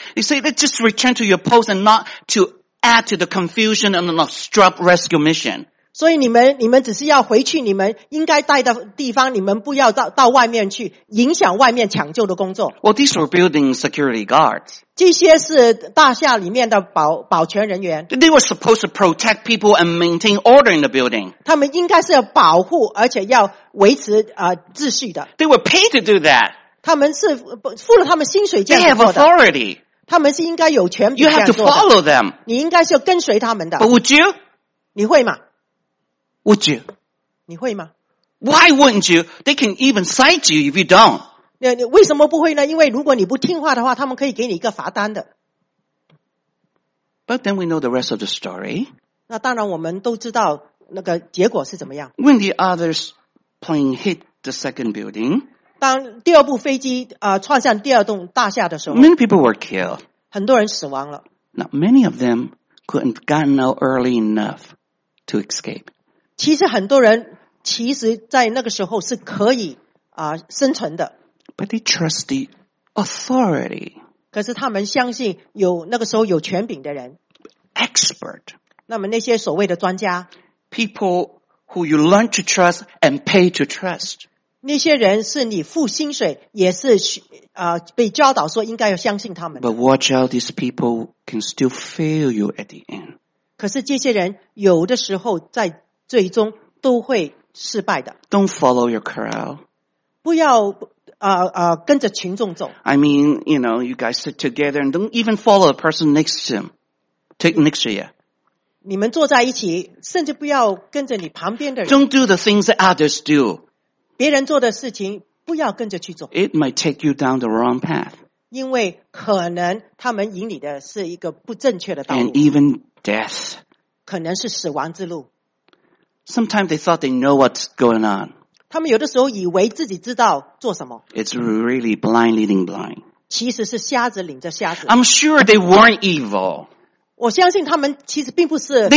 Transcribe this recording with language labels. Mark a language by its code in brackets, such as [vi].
[en] You say that just return to your post and not to add to the confusion and an obstruct rescue mission. [zh] 所以你们只是要回去你们应该待的地方，你们不要到外面去影响外面抢救的工作。 [en] Well, these were building security guards. [zh] 这些是大厦里面的保全人员。 [en] They were supposed to protect people and maintain order in the building. [zh] 他们应该是要保护而且要维持秩序的。 [en] They were paid to do that. [zh] 他们是付了他们薪水这样做的。 [en] They have authority. [zh] 他们是应该有权利这样做的。 [en] You have to follow them. [zh] 你应该是要跟随他们的。 [en] But would you? [zh] 你会吗？ [en] Would you? [zh] 你会吗？ [en] Why wouldn't you? They can even cite you if you don't. [zh] 你为什么不会呢？因为如果你不听话的话，他们可以给你一个罚单的。 [en] But then we know the rest of the story. [zh] 那当然我们都知道那个结果是怎么样。 [en] When the other's plane hit the second building, [zh] 当第二部飞机撞向第二栋大厦的时候， [en] many people were killed. [zh] 很多人死亡了。 [en] Now many of them couldn't gotten out early enough to escape. [zh] 其实很多人其实在那个时候是可以生存的。 [en] But they trust the authority. [zh] 可是他们相信有那个时候有权柄的人。 [en] Expert. [zh] 那么那些所谓的专家。 [en] People who you learn to trust and pay to trust. [zh] 那些人是你付薪水也是被教导说应该要相信他们。 [en] But watch out, these people can still fail you at the end. [zh] 可是这些人有的时候在最终都会失败的。 [en] Don't follow your crowd. [zh] 不要跟着群众走。 [en] I mean, you know, you guys sit together and don't even follow a person next to him. Take next to you. [zh] 你们坐在一起甚至不要跟着你旁边的人。 [en] Don't do the things that others do. [zh] 别人做的事情不要跟着去做。 [en] It might take you down the wrong path. [zh] 因为可能他们引你的是一个不正确的道路。 [en] And even death. [zh] 可能是死亡之路。 [en] Sometimes they thought they know what's going on. [zh] 他们有的时候以为自己知道做什么。 [en] It's really blind leading blind. [zh] 其实是瞎子领着瞎子。 [en] I'm sure they weren't evil. [zh] 我相信他们其实并不是恶毒的。